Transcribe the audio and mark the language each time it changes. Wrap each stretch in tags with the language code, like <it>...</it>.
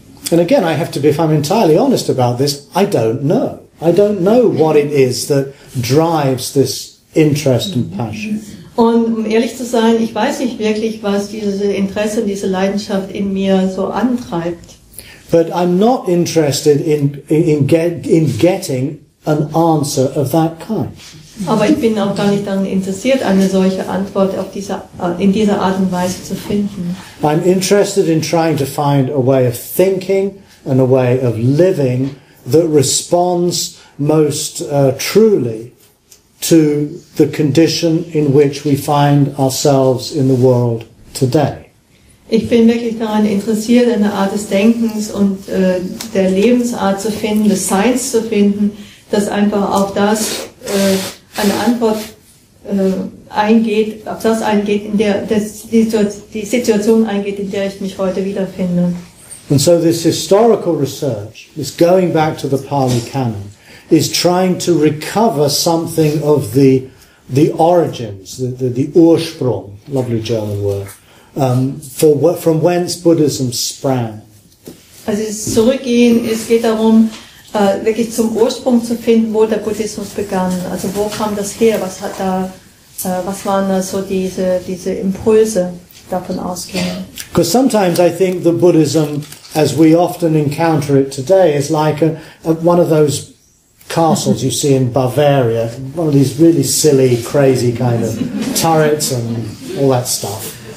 <en>And again, I have to be, if I'm entirely honest about this, I don't know. I don't know what it is that drives this interest and passion.</en> <de>Und um ehrlich zu sein, ich weiß nicht wirklich, was dieses Interesse und diese Leidenschaft in mir so antreibt.</de> <en>But I'm not interested in getting an answer of that kind.</en> <de>Aber ich bin auch gar nicht daran interessiert, eine solche Antwort auf in dieser Art und Weise zu finden.</de> <en>I'm interested in trying to find a way of thinking and a way of living that responds most truly to the condition in which we find ourselves in the world today.</en> <de>Ich bin wirklich daran interessiert, eine Art des Denkens und der Lebensart zu finden, des Seins zu finden, dass einfach auf das eine Antwort eingeht, auf das eingeht, in der die Situation eingeht, in der ich mich heute wiederfinde.</de> <en>And so this historical research, this going back to the Pali Canon, is trying to recover something of the origins, the Ursprung, lovely German word, from whence Buddhism sprang.</en> <de>Also zurückgehen, es geht darum, wirklich zum Ursprung zu finden, wo der Buddhismus begann. Also wo kam das her? Was hat da, was waren da so diese Impulse davon ausgehend?</de> <en>Because sometimes I think the Buddhism, as we often encounter it today, is like one of those castles you see in Bavaria, one of these really silly, crazy kind of turrets and all that stuff.</en>